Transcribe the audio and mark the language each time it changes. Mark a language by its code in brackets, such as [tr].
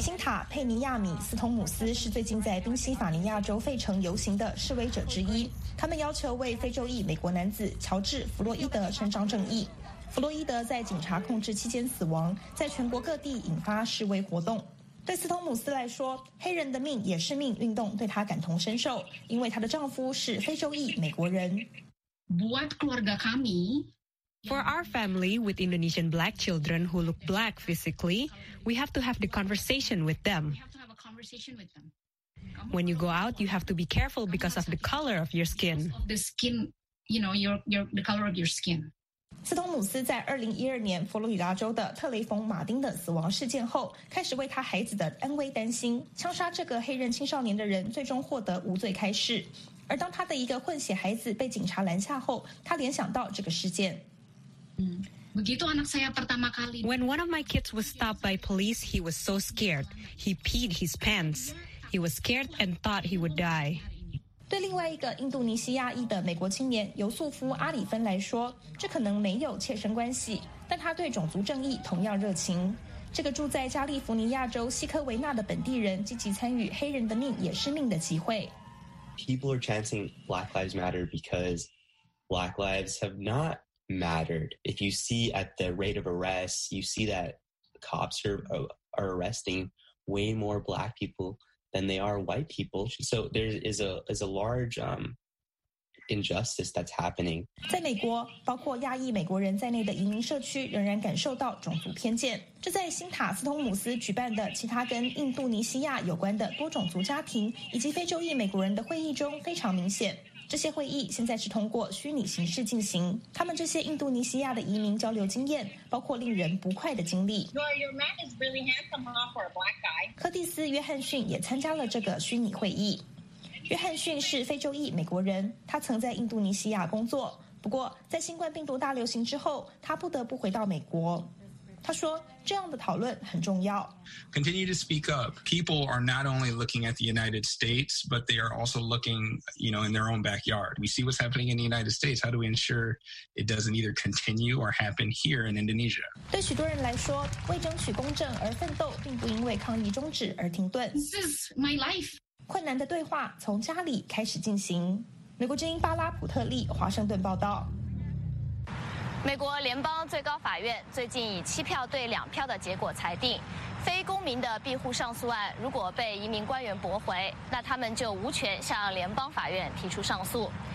[zh] 新塔·佩尼亚米斯通姆斯是最近在宾夕法尼亚州费城游行的示威者之一，他们要求为非洲裔美国男子乔治·弗洛伊德伸张正义。弗洛伊德在警察控制期间死亡，在全国各地引发示威活动。对斯通姆斯来说，黑人的命也是命运动对他感同身受，因为他的丈夫是非洲裔美国人。 [id] Buat keluarga kami, [en] for our family with Indonesian black children who look black physically, we have to have the conversation with them. When you go out, you have to be careful because of the color of your skin. The color of your skin. [zh] 斯通姆斯在2012年佛罗里达州的特雷冯·马丁的死亡事件后，开始为他孩子的安危担心。枪杀这个黑人青少年的人最终获得无罪开释，而当他的一个混血孩子被警察拦下后，他联想到这个事件。 [en] When one of my kids was stopped by police, he was so scared. He peed his pants. He was scared and thought he would die. [zh] 对另外一个印度尼西亚裔的美国青年尤素夫·阿里芬来说，这可能没有切身关系，但他对种族正义同样热情。这个住在加利福尼亚州西科维纳的本地人积极参与“黑人的命也是命”的集会。 [en] People are chanting Black Lives Matter because Black lives have not. Mattered. If you see at the rate of arrests, you see that cops are arresting way more black people than they are white people. So there is a large injustice that's happening. [zh] 在美国，包括亚裔美国人在内的移民社区仍然感受到种族偏见。这在新塔斯通姆斯举办的其他跟印度尼西亚有关的多种族家庭以及非洲裔美国人的会议中非常明显。这些会议现在是通过虚拟形式进行。他们这些印度尼西亚的移民交流经验，包括令人不快的经历。 [en] Your man is really handsome, huh, for a black guy. [zh] 柯蒂斯·约翰逊也参加了这个虚拟会议。约翰逊是非洲裔美国人，他曾在印度尼西亚工作，不过在新冠病毒大流行之后，他不得不回到美国。他说这样的讨论很重要。 [en] Continue to speak up. People are not only looking at the United States, but they are also looking, you know, in their own backyard. We see what's happening in the United States. How do we ensure it doesn't either continue or happen here in Indonesia? [zh] 对许多人来说，为争取公正而奋斗，并不因为抗议终止而停顿。 [en] This is my life. [zh] 困难的对话从家里开始进行。美国之音巴拉普特利华盛顿报道。美国联邦最高法院最近以7-2的结果裁定，非公民的庇护上诉案如果被移民官员驳回，那他们就无权向联邦法院提出上诉。